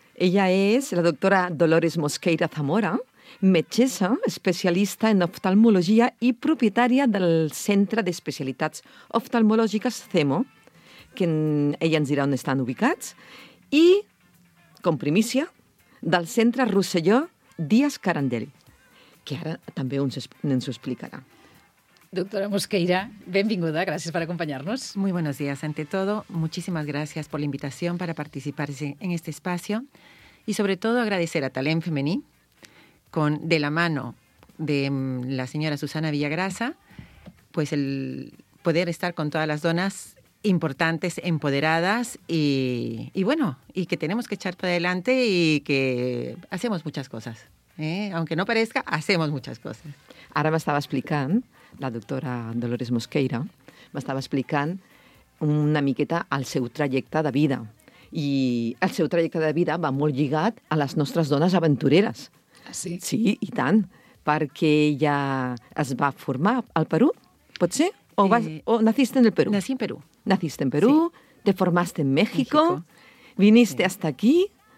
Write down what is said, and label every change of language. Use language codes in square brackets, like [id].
[ca] Ella és la doctora Dolores Mosqueira Zamora, metgessa, especialista en oftalmologia i propietària del Centre d'Especialitats Oftalmològiques CEMO, que ella ens dirà on estan ubicats, i, com primícia, del Centre Rosselló Díaz Carandel, que ara també ens ho explicarà. Doctora Mosqueira, benvinguda, gràcies per acompanyar-nos. [es] Muy buenos días, ante todo, muchísimas gracias por la invitación para participar en este espacio y, sobre todo, agradecer a Talent Femení, de la mano de la señora Susana Villagrasa, pues el poder estar con todas las donas importantes, empoderadas y que tenemos que echar para adelante y que hacemos muchas cosas. Aunque no parezca, hacemos muchas cosas. [ca] Ara m'estava explicant, la doctora Dolores Mosqueira, m'estava explicant una miqueta el seu trajecte de vida. I el seu trajecte de vida va molt lligat a les nostres dones aventureres. Sí. Sí, i tant, perquè ja es va formar al Perú, pot ser? [es] O naciste en el Perú? Nací en Perú. Naciste en Perú, sí. Te formaste en México, viniste hasta aquí.